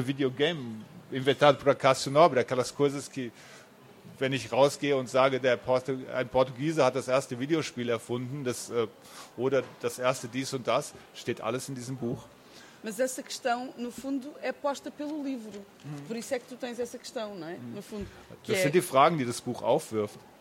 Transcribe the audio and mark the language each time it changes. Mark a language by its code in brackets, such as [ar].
[pt] videogame inventado por Acácio Nobre. Aquelas coisas que, [de] wenn ich rausgehe und sage, ein Portugiese hat das erste Videospiel erfunden, oder das erste dies und das, steht alles in diesem Buch. [pt] Mas essa questão, no fundo, é posta pelo livro. Por isso é que tu tens essa questão, não é? No fundo. [de] Das sind die Fragen, die das Buch aufwirft.